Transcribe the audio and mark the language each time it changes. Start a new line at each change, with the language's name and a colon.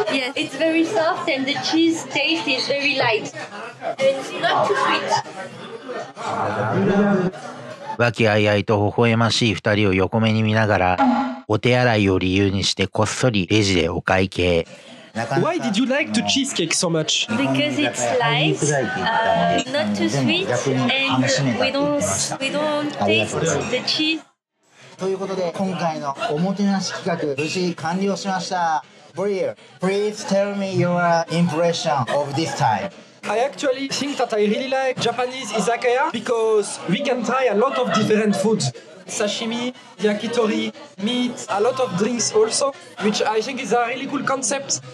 English: Yes, it's very soft and the cheese taste is very light and not too sweet.
Japanese: 和気あいあいと微笑ましい二人を横目に見ながら、お手洗いを理由にしてこっそりレジでお会計。
English: Why did you like the cheesecake so much? Because it's light, not too sweet, and we don't taste the cheese.
Japanese: ということで今回のおもてなし企画無事完了しました。
English: Breer, please tell me your impression of this time. I actually think that I really like Japanese izakaya because we can try a lot of different foods. Sashimi, yakitori, meat, a lot of drinks also, which I think is a really cool concept.